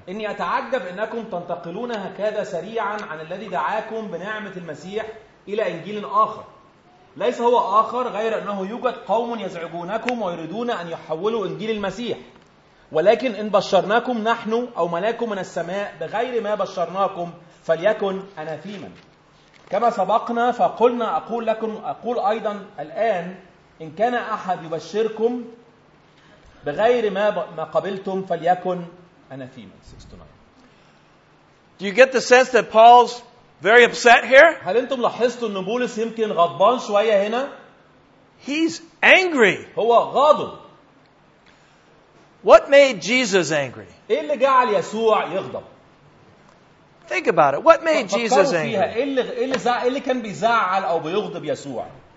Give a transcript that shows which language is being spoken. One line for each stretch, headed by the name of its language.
Arabic: اني اتعجب انكم تنتقلون هكذا سريعا عن الذي دعاكم بنعمه المسيح الى انجيل اخر ليس هو اخر غير انه يوجد قوم يزعجونكم ويريدون ان يحولوا انجيل المسيح ولكن ان بشرناكم نحن او ملاكم من السماء بغير ما بشرناكم فليكن اناثيما كما سبقنا فقلنا أقول لكم أقول أيضا الآن إن كان أحد يبشركم بغير ما قبلتم فليكن أناثيما.
English: Do you get the sense that Paul's very upset here?
Arabic: هل أنتم لاحظتوا أن بولس يمكن غضبان شوية هنا؟
English: He's angry.
Arabic: هو غاضب.
English: What made Jesus angry?
Arabic: إيه اللي جعل يسوع يغضب؟
English: Think about it. What made Jesus angry?
Arabic: اللي كان بيزعل أو بيغضب يسوع.